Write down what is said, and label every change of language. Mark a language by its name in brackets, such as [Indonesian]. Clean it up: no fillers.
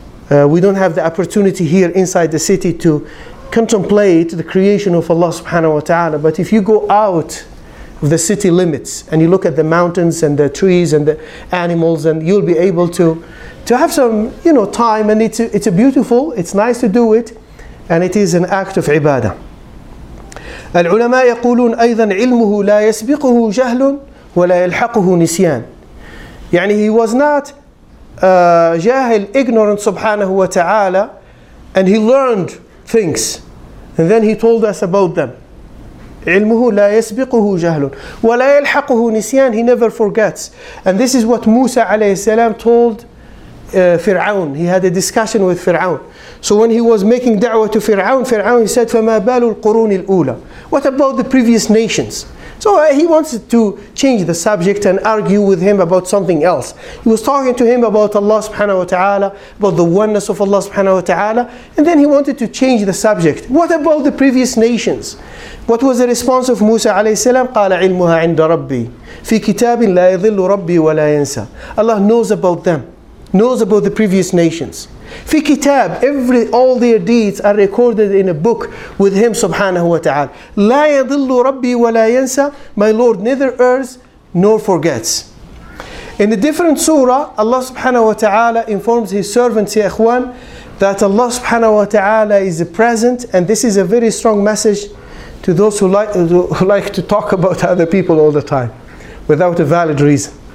[English] We don't have the opportunity here inside the city to contemplate the creation of Allah subhanahu wa ta'ala. But if you go out of the city limits and you look at the mountains and the trees and the animals, and you'll be able to have some, you know, time, and it's a beautiful, it's nice to do it, and it is an act of ibadah. [Arabic] العلماء يقولون أيضا علمه لا يسبقه جهل ولا يلحقه نسيان. [English] يعني he was not جاهل, ignorant سبحانه وتعالى, and he learned things and then he told us about them. [Arabic] علمه لا يسبقه جهل ولا يلحقه نسيان, [English] he never forgets. And this is what موسى عليه السلام told فرعون. He had a discussion with فرعون. So when he was making da'wah to فرعون, فرعون said, [Arabic] فما بال القرون الأولى, [English] what about the previous nations? So he wanted to change the subject and argue with him about something else. He was talking to him about Allah subhanahu wa ta'ala, about the oneness of Allah subhanahu wa ta'ala, and then he wanted to change the subject. What about the previous nations? What was the response of Musa alayhi salam? [Arabic] قال علمها عند ربي في كتاب لا يضل ربي ولا ينسى. [English] Allah knows about them, knows about the previous nations. [Arabic] في كتاب, [English] all their deeds are recorded in a book with him subhanahu wa ta'ala. [Arabic] لا يضل ربي ولا ينسى, [English] my Lord neither errs nor forgets. In a different surah, Allah subhanahu wa ta'ala informs his servants, ya ikhwan, that Allah subhanahu wa ta'ala is present, and this is a very strong message to those who like to talk about other people all the time without a valid reason.